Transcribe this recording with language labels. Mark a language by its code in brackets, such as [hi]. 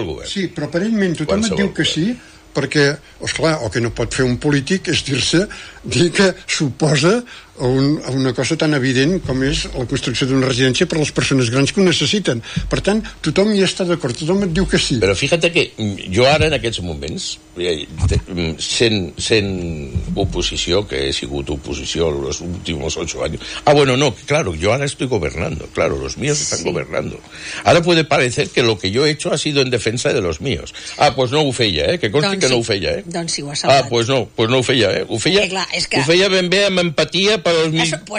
[ca] Sí, però aparentment tothom et diu que sí, perquè, esclar, el que no pot fer un polític és dir que s'oposa a una cosa tan evident com és la construcció d'una residència per a les persones grans que ho necessiten. Per tant, tothom hi està d'acord, tothom et diu que sí. Però fíjate que jo ara, en aquests moments, sent oposició, que he sigut oposició els últims 8 anys... [es] Yo ara estoy gobernando, claro, los míos están gobernando. Ara puede parecer que lo que yo he hecho ha sido en defensa de los míos. [ca] Ah, pues no ho feia, ¿eh? Que consti que no ho feia, ¿eh? Doncs sí, ho ha salvat. Ah, pues no ho feia, ¿eh? Ho feia, ho feia ben bé amb empatia per als mis...